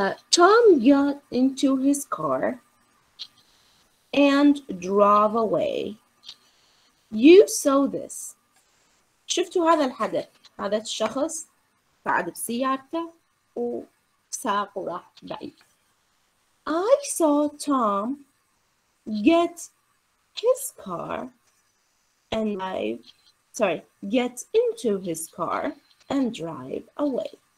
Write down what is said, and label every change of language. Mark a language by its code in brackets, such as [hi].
[en] Tom got into his car and drove away. You saw this. [ar] شفتوا هذا الحدث، هذا الشخص قعد بسيارته وساق وراح بعيد. [en] I saw Tom get his car and drive, sorry, get into his car and drive away.